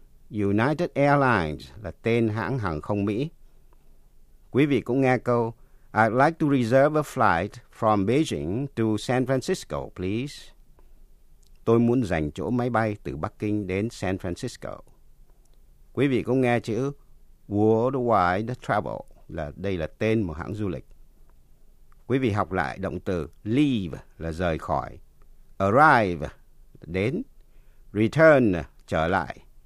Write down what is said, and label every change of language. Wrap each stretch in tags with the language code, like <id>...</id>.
<vi>United Airlines là tên hãng hàng không Mỹ. Quý vị cũng nghe câu</vi> <en>I'd like to reserve a flight from Beijing to San Francisco, please.</en> <vi>Tôi muốn dành chỗ máy bay từ Bắc Kinh đến San Francisco. Quý vị có nghe chữ Worldwide Travel là đây là tên một hãng du lịch. Quý vị học lại động từ leave là rời khỏi, arrive là đến, return là trở lại.</vi>